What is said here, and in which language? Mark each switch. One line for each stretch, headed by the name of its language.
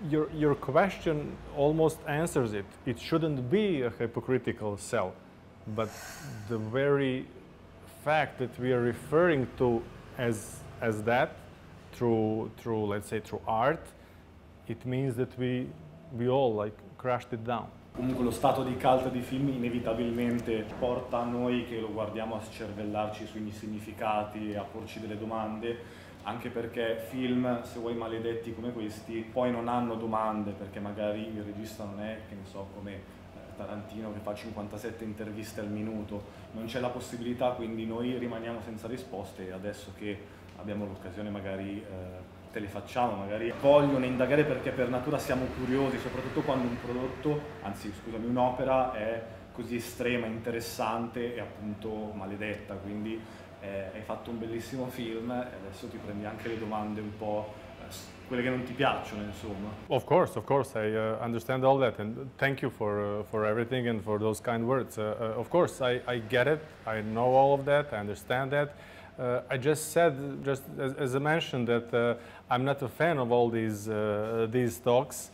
English: Your question almost answers it. It shouldn't be a hypocritical cell, but the very fact that we are referring to as that through let's say through art, it means that we all like crashed it down.
Italian: Comunque lo stato di cult di film inevitabilmente porta a noi che lo guardiamo a scervellarci sui significati e a porci delle domande, anche perché film, se vuoi maledetti come questi, poi non hanno domande, perché magari il regista non è, che ne so, come Tarantino che fa 57 interviste al minuto, non c'è la possibilità, quindi noi rimaniamo senza risposte e adesso che abbiamo l'occasione magari te le facciamo, magari vogliono indagare perché per natura siamo curiosi, soprattutto quando un prodotto, anzi scusami, un'opera è così estrema, interessante e appunto maledetta, quindi hai fatto un bellissimo film e adesso ti prendi anche le domande un po' quelle che non ti piacciono, insomma.
English: Of course I understand all that and thank you for everything and for those kind words. Of course I get it, I know all of that, I understand that. I just said, just as I mentioned, that I'm not a fan of all these talks.